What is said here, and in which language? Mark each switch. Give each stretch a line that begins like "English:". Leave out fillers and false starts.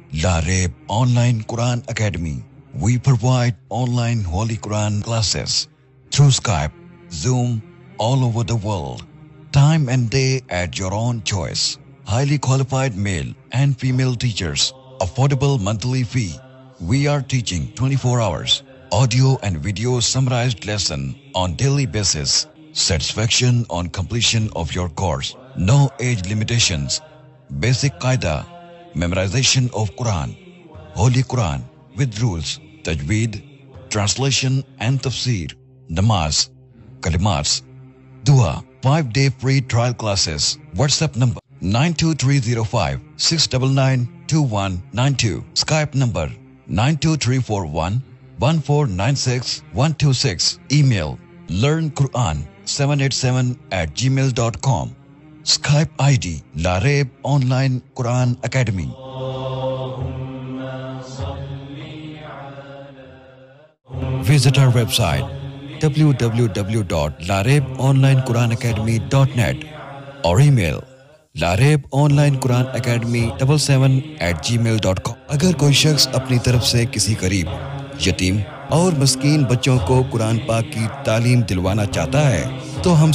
English: Lareb Online Quran academy. We provide online Holi Quran classes through Skype, zoom, all over the world, time and day at your own choice. Highly qualified male and female teachers, affordable monthly fee. We are teaching 24 hours, audio and video summarized lesson on daily basis. Satisfaction on completion of your course. No age limitations. Basic Qaida, memorization of Quran, Holy Quran with rules, Tajweed, translation and tafsir, Namaz, Kalimats, Dua. 5-day free trial classes. WhatsApp number 92305-699-2192. Skype number 92341-1496-126. Email learnquran787@gmail.com. Skype ID Lareb Online Quran Academy. Visit our website www.larebonlinequranacademy.net or email Lareb Online Quran Academy 777@gmail.com।
Hindi: अगर कोई शख्स अपनी तरफ से किसी गरीब, यतीम और मस्कीन बच्चों को कुरान पाक की तालीम दिलवाना चाहता है तो हम